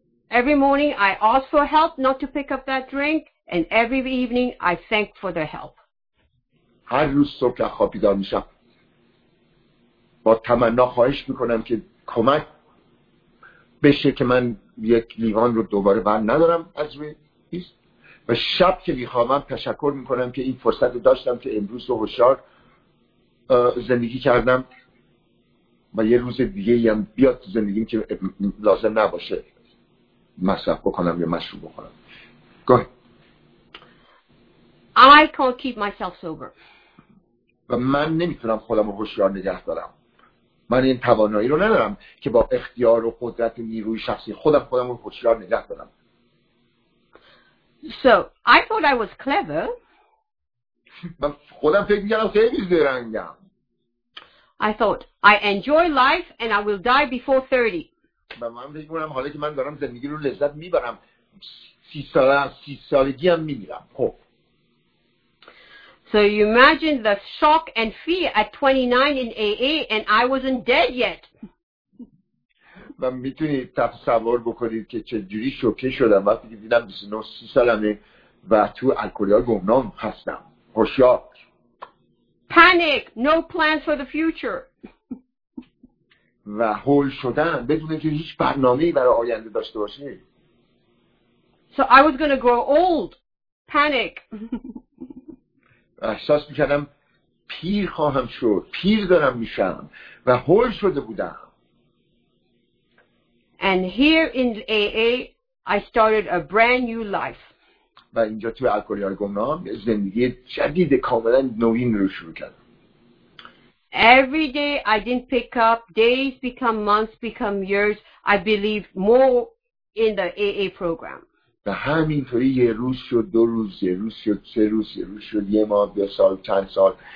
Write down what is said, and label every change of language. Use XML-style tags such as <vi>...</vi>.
<en>Every morning I ask for help not to pick up that drink, and every evening I thank for the help.</en> <fa>هر روز صبح که خواب بیدار میشم با تمنا خواهش میکنم که کمک بشه که من یک لیوان رو دوباره بر ندارم از روی پیست و شب که میخوابم تشکر میکنم که این فرصت رو داشتم که امروز رو هوشیار زندگی کردم و یه روز دیگه هم بیاد تو زندگیم که لازم نباشه مصرف بکنم یا مشروب بکنم.</fa> <en>Go ahead. I can't keep myself sober.</en> <fa>و من نمیتونم خودم رو هوشیار نگه دارم. من این توانایی رو ندارم که با اختیار و قدرت و نیروی شخصی خودم رو هوشیار نگه دارم.</fa> <en>So, I thought I was clever.</en> <fa>من خودم فکر میکردم خیلی زرنگم.</fa> <en>I thought, I enjoy life and I will die before 30.</en> <fa>و من فکر میکنم حالا که من دارم زندگی رو لذت میبرم 30 سالگی هم میمیرم. خب.</fa> <en>So you imagine the shock and fear at 29 in AA, and I wasn't dead yet.</en> <fa>و میتونی تصور بکنید که چجوری شوکه شدم وقتی که دیدم 29-30 سالمه و تو الکلیار گمنام هستم. هوشیار.</fa> <en>Panic, no plans for the future.</en> <fa>و هول شدن بدون که هیچ برنامه‌ای برای آینده داشته باشی.</fa> <en>So I was going to grow old. Panic.</en> <fa>احساس میکردم پیر خواهم شد، پیر دارم میشم و هول شده بودم.</fa> <en>And here in AA, I started a brand new life.</en> <fa>و اینجا توی الکلیار گمنام زندگی جدید کاملا نوین رو شروع کردم.</fa> <en>Every day I didn't pick up, days become months, become years. I believed more in the AA program.</en> <fa>و همینطوری یه روز شد، دو روز، یه روز شد، سه روز، یه روز شد، یه ماه، دو سال، چند سال.</fa>